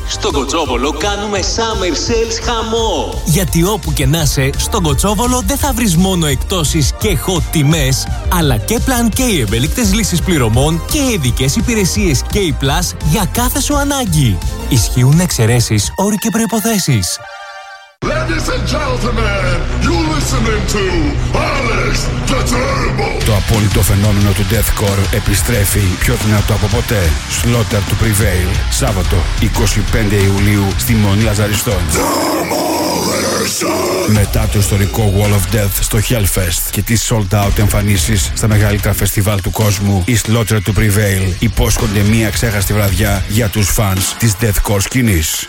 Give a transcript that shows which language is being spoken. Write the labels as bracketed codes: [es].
[el] Στον Κοτσόβολο κάνουμε Summer Sales χαμό. Γιατί όπου και να είσαι, στον Κοτσόβολο δεν θα βρεις μόνο εκπτώσεις και hot τιμές, αλλά και plan K ευέλικτες λύσεις πληρωμών και ειδικές υπηρεσίες K Plus για κάθε σου ανάγκη. Ισχύουν εξαιρέσεις, όροι και προϋποθέσεις. [en] Ladies and gentlemen, you're listening to Alex the Terrible. [el] Το απόλυτο φαινόμενο του Deathcore επιστρέφει πιο δυνατό από ποτέ. Slaughter to Prevail, Σάββατο 25 Ιουλίου στη Μονή Λαζαριστών. Μετά το ιστορικό Wall of Death στο Hellfest και τις sold out εμφανίσεις στα μεγαλύτερα φεστιβάλ του κόσμου, η Slaughter to Prevail υπόσχονται μία ξέχαστη βραδιά για τους fans της Deathcore σκηνής.